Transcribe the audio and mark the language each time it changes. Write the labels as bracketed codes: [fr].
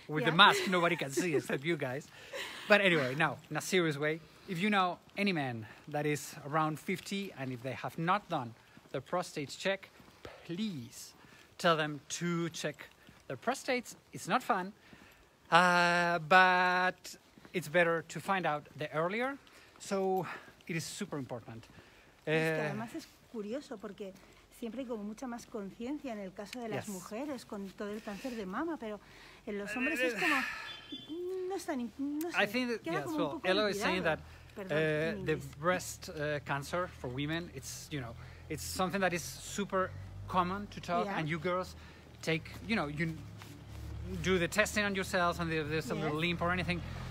[en] With the mask, nobody can see except you guys. But anyway, now, in a serious way, if you know any man that is around 50 and if they have not done their prostate check, please tell them to check their prostates. It's not fun, but it's better to find out the earlier. So it is super important. [es] Además es curioso porque siempre hay como mucha más conciencia en el caso de las mujeres con todo el cáncer de mama, pero en los hombres es como no es tan [en] I think that, yes, well, Elo is saying that the breast cancer for women, it's, you know, it's something that is super common to talk, and you girls take, you know, you do the testing on yourselves and there's a little limp or anything.